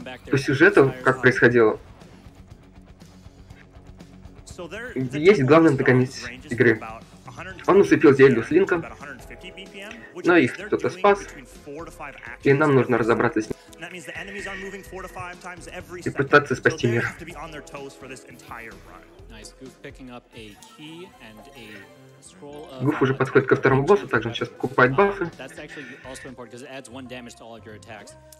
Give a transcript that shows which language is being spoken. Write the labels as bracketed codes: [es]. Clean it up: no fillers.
[ru] По сюжету, как происходило, есть главный антагонист игры. Он усыпил Зельду с Линком, но их кто-то спас, и нам нужно разобраться с ним. [en] That means the enemies are moving 4 to 5 times every second. [ru] И пытаться спасти мир. [en] To be on their toes for this entire run. Nice. Goof picking up a key and a scroll of... [ru] Goof уже подходит ко второму боссу, также он сейчас покупает бафы. [en] That's actually also important because it adds one damage to all of your attacks.